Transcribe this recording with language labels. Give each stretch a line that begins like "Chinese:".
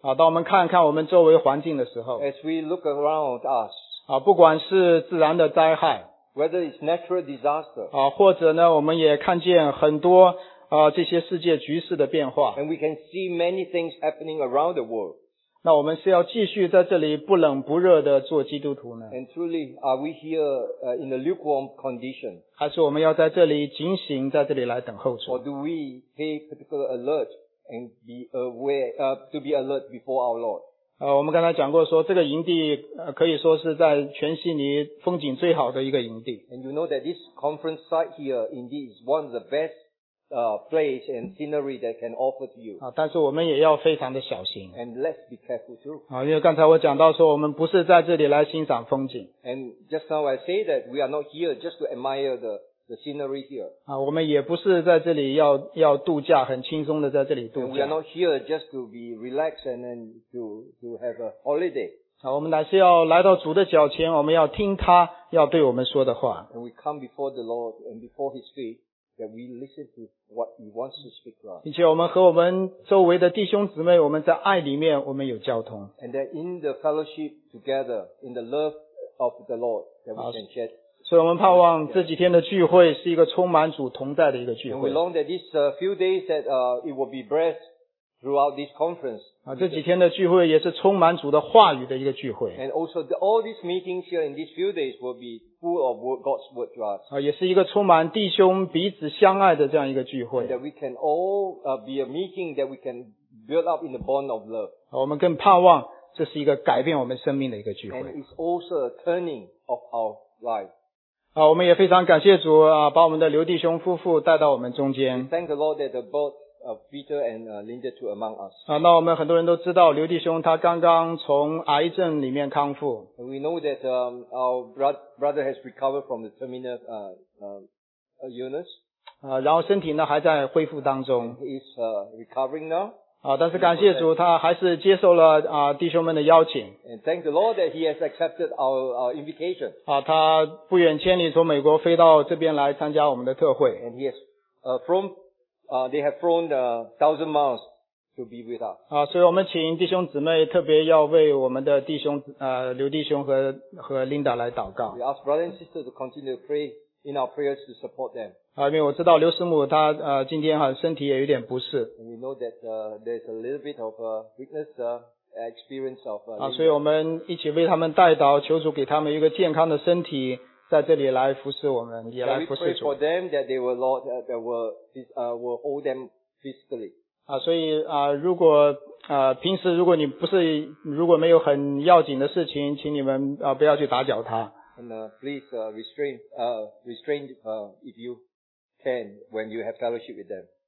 Chinese: 当我们看看我们周围环境的时候。
English: As we look around us.
Chinese: 不管是自然的灾害。
English: Whether it's natural disaster.
Chinese: 或者呢我们也看见很多这些世界局势的变化。
English: And we can see many things happening around the world.
Chinese: 那我们是要继续在这里不冷不热的做基督徒呢？
English: And truly, are we here in a lukewarm condition?
Chinese: 还是我们要在这里警醒，在这里来等候主？
English: Or do we pay particular alert and be aware, to be alert before our Lord?
Chinese: 我们刚才讲过说，这个营地可以说是在全悉尼风景最好的一个营地。
English: And you know that this conference site here indeed is one of the best place and scenery that can offer to you.
Chinese: 但是我们也要非常的小心。
English: And let's be careful too.
Chinese: 因为刚才我讲到说，我们不是在这里来欣赏风景。
English: And just now I say that we are not here just to admire the scenery here.
Chinese: 我们也不是在这里要度假，很轻松的在这里度假。
English: And we are not here just to be relaxed and then to have a holiday.
Chinese: 我们乃是要来到主的脚前，我们要听他要对我们说的话。
English: And we come before the Lord and before His feet. That we listen to what he wants to speak to us.
Chinese: 并且我们和我们周围的弟兄姊妹，我们在爱里面，我们有交通。
English: And that in the fellowship together, in the love of the Lord, that we can share.
Chinese: 所以我们盼望这几天的聚会是一个充满主同在的一个聚会。
English: And we long that this few days that it will be blessed throughout this conference.
Chinese: 这几天的聚会也是充满主的话语的一个聚会。
English: And also all these meetings here in these few days will be. Full of God's word to us.
Chinese: 也是一个充满弟兄彼此相爱的这样一个聚会。
English: That we can all be a meeting that we can build up in the bond of love.
Chinese: 我们更盼望这是一个改变我们生命的一个聚会。
English: And it's also a turning of our life.
Chinese: 我们也非常感谢主把我们的刘弟兄夫妇带到我们中间。
English: Thank the Lord that brought Peter and Linda to among us.
Chinese: 那我们很多人都知道刘弟兄他刚刚从癌症里面康复。
English: We know that our brother has recovered from the terminal illness.
Chinese: 然后身体呢还在恢复当中。
English: He's recovering now.
Chinese: 但是感谢主他还是接受了弟兄们的邀请。
English: And thank the Lord that he has accepted our invitation.
Chinese: 他不远千里从美国飞到这边来参加我们的特会。
English: And he has from they have flown 1,000 miles to be with us.
Chinese: 所以我们请弟兄姊妹特别要为我们的弟兄刘弟兄和 Linda 来祷告。
English: We ask brothers and sisters to continue to pray in our prayers to support them.
Chinese: 因为我知道刘师母她今天好像身体也有点不适。
English: We know that there's a little bit of weakness experience of.
Chinese: 所以我们一起为他们代祷，求主给他们一个健康的身体。在这里来服侍我们，也来服侍主。
English: We pray for them that they will Lord that will hold them physically.
Chinese: 所以如果平时如果你不是如果没有很要紧的事情，请你们不要去打搅他。
English: And please restrain if you can when you have fellowship with them.